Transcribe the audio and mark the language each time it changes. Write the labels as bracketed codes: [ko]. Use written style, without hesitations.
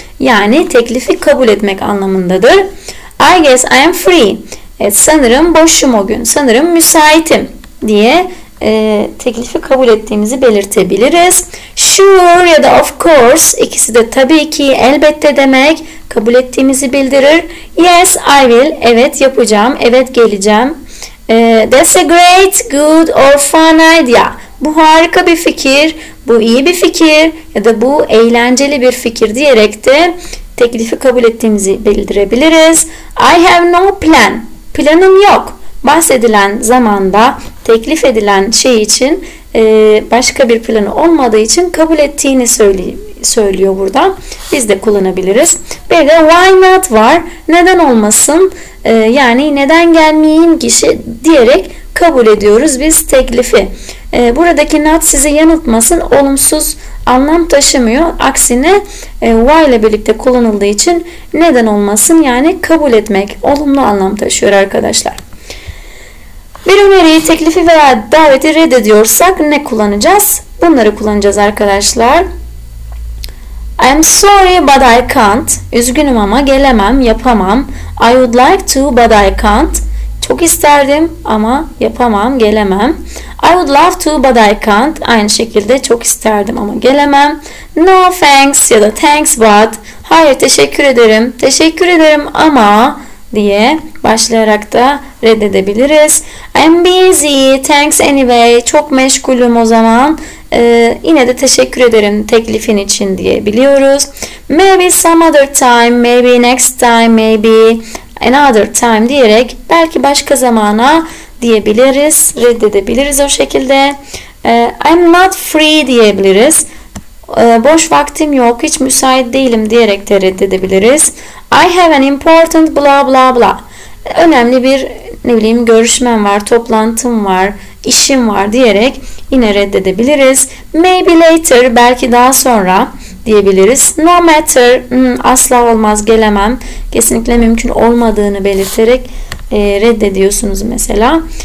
[tr] Yani teklifi kabul etmek anlamındadır. [en] I guess I am free. [tr] Evet, sanırım boşum o gün, sanırım müsaitim diye teklifi kabul ettiğimizi belirtebiliriz. Sure ya da of course, ikisi de tabii ki, elbette demek, kabul ettiğimizi bildirir. [en] Yes, I will. [tr] Evet, yapacağım. Evet, geleceğim. [en] That's a great, good or fun idea. [tr] Bu harika bir fikir, bu iyi bir fikir ya da bu eğlenceli bir fikir diyerek de teklifi kabul ettiğimizi bildirebiliriz. [en] I have no plan. [tr] Planım yok. Bahsedilen zamanda, teklif edilen şey için başka bir planı olmadığı için kabul ettiğini söylüyor burada. Biz de kullanabiliriz. Bir de why not var. Neden olmasın? Yani neden gelmeyeyim kişi diyerek kabul ediyoruz biz teklifi. Buradaki not sizi yanıltmasın. Olumsuz anlam taşımıyor. Aksine why ile birlikte kullanıldığı için neden olmasın, yani kabul etmek, olumlu anlam taşıyor arkadaşlar. Bir öneriyi, teklifi veya daveti reddediyorsak ne kullanacağız? Bunları kullanacağız arkadaşlar. [en] I'm sorry but I can't. [tr] Üzgünüm ama gelemem, yapamam. [en] I would like to but I can't. [tr] Çok isterdim ama yapamam, gelemem. [en] I would love to but I can't. [tr] Aynı şekilde çok isterdim ama gelemem. [en] No thanks [tr] ya da thanks but. Hayır, teşekkür ederim. Teşekkür ederim ama diye başlayarak da reddedebiliriz. [en] I'm busy, thanks anyway. [tr] Çok meşgulüm o zaman. Yine de teşekkür ederim teklifin için diyebiliyoruz. [en] Maybe some other time, maybe next time, maybe another time [tr] diyerek belki başka zamana diyebiliriz. Reddedebiliriz o şekilde. [en] I'm not free [tr] diyebiliriz. Boş vaktim yok, hiç müsait değilim diyerek de reddedebiliriz. [en] I have an important blah blah blah. [tr] Önemli bir, ne bileyim, görüşmem var, toplantım var, işim var diyerek yine reddedebiliriz. [en] Maybe later, [tr] belki daha sonra diyebiliriz. [en] No matter, [tr] asla olmaz, gelemem. Kesinlikle mümkün olmadığını belirterek reddediyorsunuz mesela.